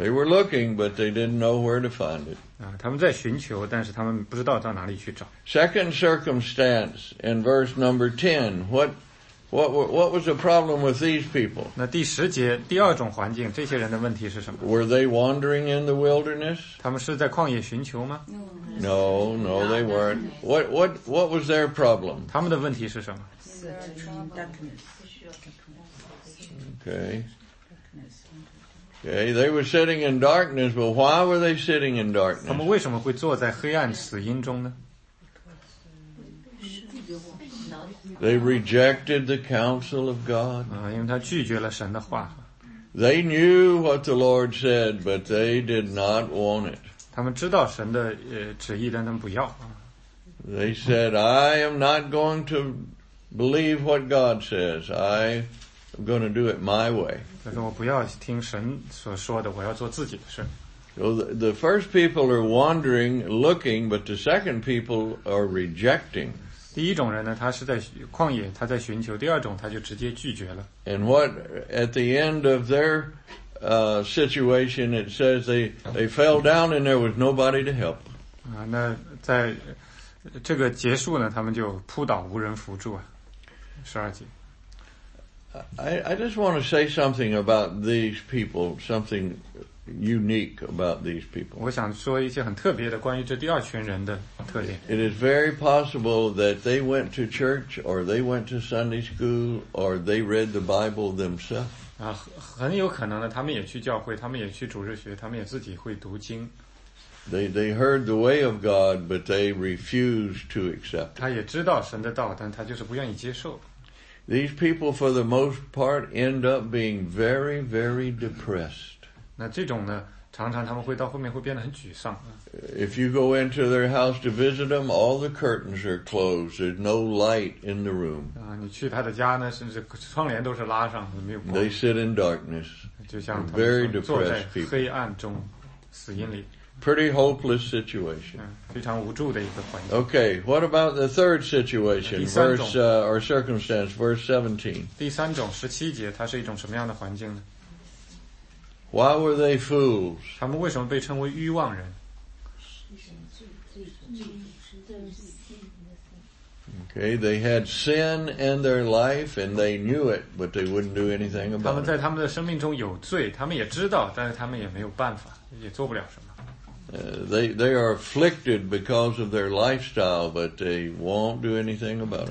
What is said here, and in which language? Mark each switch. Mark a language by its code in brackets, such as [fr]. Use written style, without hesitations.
[en] They were looking, but they didn't know where to find it. [zh] 他们在寻求, 但是他们不知道到哪里去找。 [en] Second circumstance, in verse number 10, what What was the problem with these people? [zh] 那第十节第二种环境，这些人的问题是什么？ [en] Were they wandering in the wilderness? [zh] 他们是在旷野寻求吗？ [en] No, no, they weren't. What was their problem? [zh] 他们的问题是什么？ [en] Okay. Okay, they were sitting in darkness, but why were they sitting in darkness? [zh] 他们为什么会坐在黑暗死荫中呢？ [en] They rejected the counsel of God. [zh] 因为他拒绝了神的话。 [en] They knew what the Lord said, but they did not want it. [zh] 他们知道神的旨意，但他们不要。 [en] They said, I am not going to believe what God says. I am going to do it my way. [zh] 他说我不要听神所说的，我要做自己的事。 [en] So the first people are wandering, looking, but the second people are rejecting. [zh] 第一种人呢，他是在旷野，他在寻求；第二种，他就直接拒绝了。 [en] And what at the end of their situation, it says they fell down and there was nobody to help. [zh] 那在这个结束呢，他们就扑倒，无人扶助啊。十二节。 [en] I just want to say something about these people, something unique about these people. [zh] 我想说一些很特别的关于这第二群人的特点。 [en] It is very possible that they went to church or they went to Sunday school or they read the Bible themselves. [zh] 很有可能呢，他们也去教会，他们也去主日学，他们也自己会读经。 [en] They heard the way of God, but they refused to accept it. [zh] 他也知道神的道，但他就是不愿意接受。 [en] These people, for the most part, end up being very, very depressed. [zh] 那这种呢，常常他们会到后面会变得很沮丧。 [en] If you go into their house to visit them, all the curtains are closed. There's no light in the room. [zh] 你去他的家呢，甚至窗帘都是拉上，没有光。 [en] They sit in darkness. [zh] 就像他们说，坐在黑暗中，死荫里。 [en] Pretty hopeless situation. [zh] 非常无助的一个环境。 [en] Okay, what about the third situation, verse, or circumstance, verse 17? [zh] 第三种，十七节，它是一种什么样的环境呢？ [en] Why were they fools? [zh] 他们为什么被称为愚妄人？ [en] Okay, they had sin in their life and they knew it, but they wouldn't do anything about it. [zh] 他们在他们的生命中有罪，他们也知道，但是他们也没有办法，也做不了什么。 [en] They are afflicted because of their lifestyle, but they won't do anything about it.